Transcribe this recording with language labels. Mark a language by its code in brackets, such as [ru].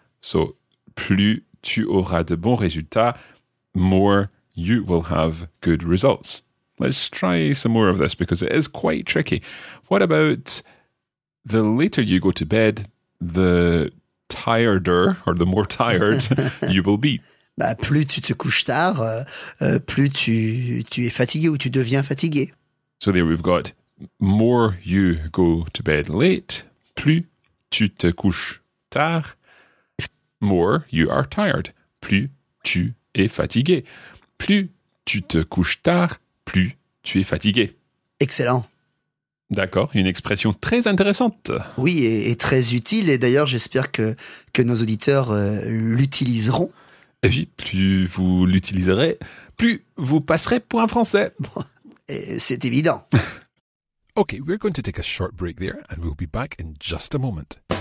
[en] So [fr] plus tu auras de bons résultats, [en] more you will have good results. Let's try some more of this because it is quite tricky. What about the later you go to bed, the tireder, or the more tired, you will be. [fr] Bah, plus tu te couches tard, plus tu es fatigué ou tu deviens fatigué. [en] So there we've got, more you go to bed late, [fr] plus tu te couches tard, [en] more you are tired, [fr] plus tu es fatigué. Plus tu te couches tard, plus tu es fatigué. Excellent. D'accord, une expression très intéressante. Oui, et très utile, et d'ailleurs j'espère que nos auditeurs l'utiliseront. Et puis, plus vous l'utiliserez, plus vous passerez pour un Français. C'est évident. [en] Ok, we're going to take a short break there, and we'll be back in just a moment.